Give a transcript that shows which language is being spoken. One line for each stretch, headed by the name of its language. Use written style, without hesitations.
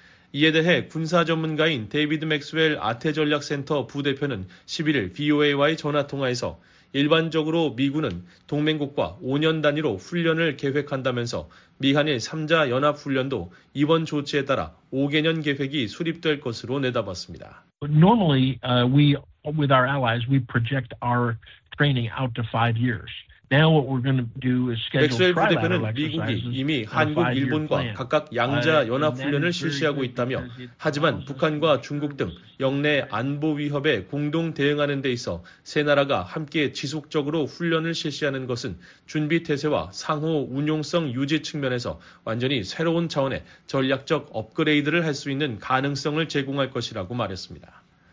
Korean: 이에 대해 군사 전문가인 데이비드 맥스웰 아태전략센터 부대표는 11일 VOA와의 전화통화에서 일반적으로 미군은 동맹국과 5년 단위로 훈련을 계획한다면서 미한일 3자 연합훈련도 이번 조치에 따라 5개년 계획이 수립될 것으로 내다봤습니다.
English: Normally, we with our allies, we project our training out to 5 years. Now what we're going to do is schedule.
Korean: 맥스웰 부대표는 미국이 이미 한국, 일본과 각각 양자 연합훈련을 실시하고 있다며 하지만 북한과 중국 등 영내 안보 위협에 공동 대응하는 데 있어 세 나라가 함께 지속적으로 훈련을 실시하는 것은 준비태세와 상호 운용성 유지 측면에서 완전히 새로운 차원의 전략적 업그레이드를 할 수 있는 가능성을 제공할 것이라고 말했습니다.